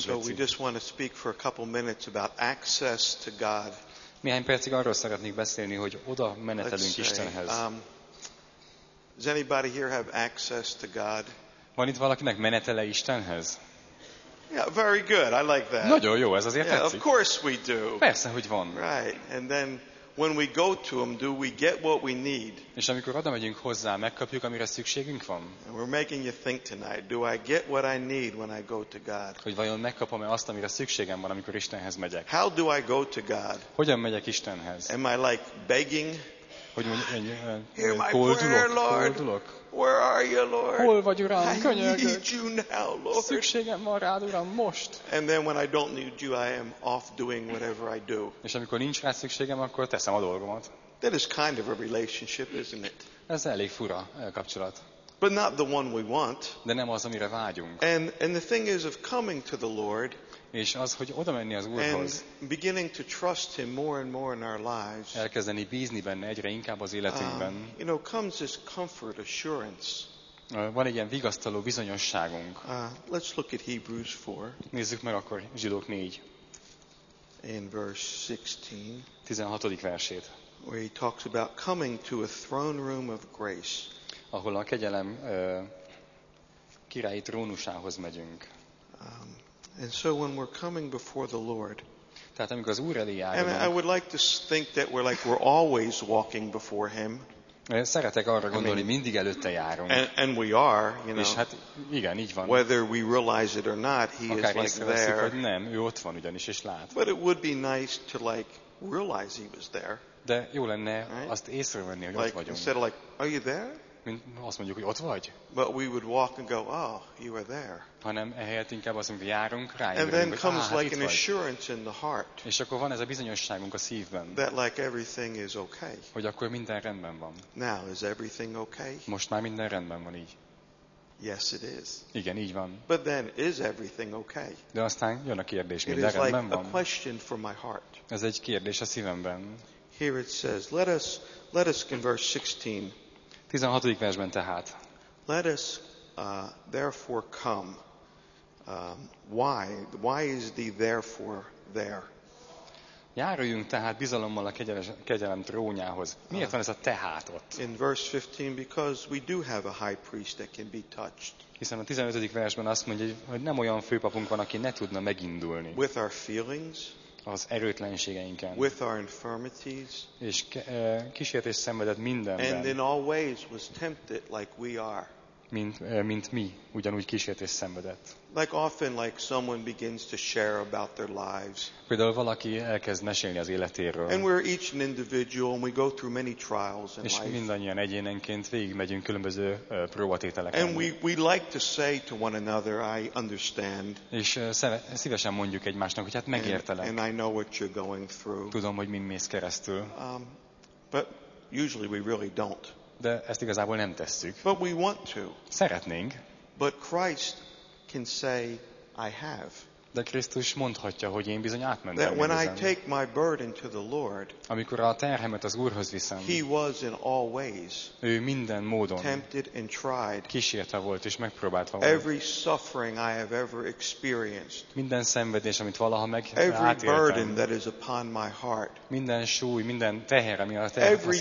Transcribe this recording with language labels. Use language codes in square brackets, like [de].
[en] So we just want to speak for a couple minutes about access to God. [hu] Néhány percig arról szeretnék beszélni, hogy oda menetelünk Istenhez. [en] Does anybody here have access to God? [hu] Van itt valakinek menetele Istenhez? [en] Yeah, very good. I like that. [hu] Nagyon jó, ez azért tetszik. [en] Of course we do. [hu] Persze, hogy van. [en] Right. And then when we go to him, do we get what we need? [hu] És amikor oda megyünk hozzá, megkapjuk, amire szükségünk van. [en] And we're making you think tonight. Do I get what I need when I go to God? [hu] Hogy vajon megkapom-e azt, amire szükségem van, amikor Istenhez megyek? [en] How do I go to God? [hu] Hogyan megyek Istenhez? [en] Am I like begging? [hu] hogy koldulok. [en] Where are you, Lord? [hu] Hol vagy, Uram? Könyörgök. [en] I need you now, Lord. [hu] Szükségem van rád, Uram, most. [en] And then when I don't need you, I am off doing whatever I do. [hu] És amikor nincs rá szükségem, akkor teszem a dolgomat. [en] That is kind of a relationship, isn't it? [hu] Ez elég fura kapcsolat. [en] But not the one we want. [hu] De nem az, amire vágyunk. [en] And the thing is of coming to the Lord. [hu] És az, hogy oda menni az Úrhoz. [en] And beginning to trust him more and more in our lives. [hu] Elkezdeni bízni benne egyre inkább az életünkben. [en] You know, comes this comfort assurance. [hu] Van egy ilyen vigasztaló bizonyosságunk. [en] Let's look at Hebrews 4. [hu] Nézzük meg akkor Zsidók 4. [en] In verse 16. [hu] 16. versét. [en] Where he talks about coming to a throne room of grace. [hu] Ahol a kegyelem királyi trónusához megyünk. [en] And so when we're coming before the Lord, [hu] tehát amikor az Úr elé járunk, [en] and I would like to think that we're always walking before him. [hu] Szeretek arra gondolni, mindig előtte járunk. [en] And we are, you know. [hu] És hát igen, így van. [en] Whether we realize it or not, he [hu] akár [en] is like there. [hu] Akár észreveszik, nem, ő ott van ugyanis, és lát. [en] But it would be nice to realize he was there. [hu] De jó lenne [en] right? [hu] Azt észrevenni, hogy ott vagyunk. [en] Instead of are you there? [hu] Mint azt mondjuk, hogy ott vagy. [en] But we would walk and go, oh, you are there. [hu] Hanem ehelyett inkább azt mondjuk, hogy járunk rá, [en] and then comes an assurance in the heart. [hu] És akkor van ez a bizonyosságunk a szívben. [en] That everything is okay. [hu] Hogy akkor minden rendben van. [en] Now is everything okay? [hu] Most már minden rendben van így. [en] Yes, it is. [hu] Igen, így van. [en] But then is everything okay? [hu] De aztán jön a kérdés, minden rendben van. [en] A question for my heart. [hu] Ez egy kérdés a szívemben. [en] Here it says, let us in verse 16. [hu] 16. versben tehát. [en] Let us therefore come. Why is the therefore there? [hu] Járuljunk tehát bizalommal a kegyelem trónjához. Miért van ez a tehát ott? [en] In verse 15, because we do have a high priest that can be touched. [hu] Hiszen a 15. versben azt mondja, hogy nem olyan főpapunk van, aki ne tudna megindulni. [en] With our feelings. [hu] Az erőtlenségeinken. [en] With our infirmities. [hu] És kísértés szenvedett mindenben. [en] And in all ways was tempted like we are. [hu] Mint mi, ugyanúgy kísértés szenvedett. [en] Like often someone begins to share about their lives. [hu] Például valaki elkezd mesélni az életéről. [en] And we're each an individual and we go through many trials in life. [hu] És mindannyian egyénenként végigmegyünk különböző próbatételeken. [en] And we like to say to one another, I understand. [hu] És szívesen mondjuk egymásnak, hogy hát megértelek. [en] And I know what you're going through. [hu] Tudom, hogy mind mész keresztül. [en] But usually we really don't. [hu] De ezt igazából nem tesszük. [en] But we want to. [hu] Szeretnénk. [en] But Christ can say, I have. [hu] De Krisztus mondhatja, hogy én bizony átmentem. [en] That when I take my burden to the Lord, [hu] amikor a terhemet az Úrhoz viszem, [en] he was in all ways, [hu] ő minden módon [en] tempted and tried, [hu] kísérte volt és megpróbálta volt. [en] Every suffering I have ever experienced, [hu] minden szenvedés, amit valaha megátéltem, [en] every burden that is upon my heart, [hu] minden súly, minden teher, ami a szívemet nyomja,